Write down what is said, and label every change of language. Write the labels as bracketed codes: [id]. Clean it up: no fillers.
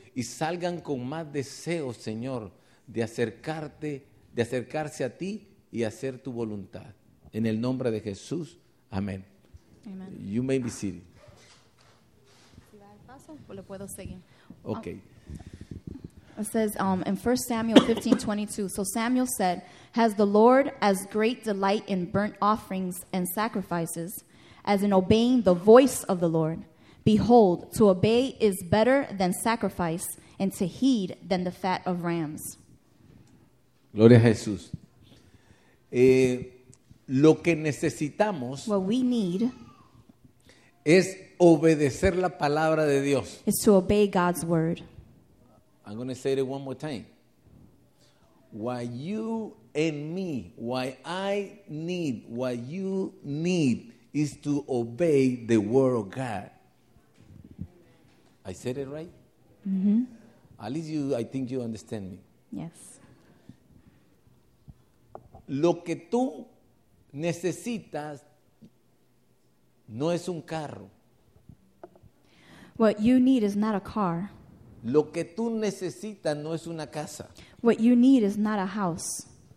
[es] y salgan con más deseo, Señor, de acercarte, de acercarse a ti y hacer tu voluntad. En el nombre de Jesús. Amén. [en] Amen. You may be seated. [es] ¿Si va al paso o lo puedo seguir? [en] Okay. It says in 1 Samuel 15:22. So Samuel said, "Has the Lord as great delight in burnt offerings and sacrifices as in obeying the voice of the Lord? Behold, to obey is better than sacrifice, and to heed than the fat of rams." [es] Gloria a Jesús. Lo que necesitamos, [en] what we need, [es] es obedecer la palabra de Dios. [en] Is to obey God's word. I'm going to say it one more time. What you and me, what I need, what you need is to obey the word of God. I said it right? Mm-hmm. At least you, I think you understand me. Yes. [es] Lo que tú necesitas no es un carro. [en] What you need is not a car. [es] Lo que tú necesitas no es una casa. [en] What you need is not a house.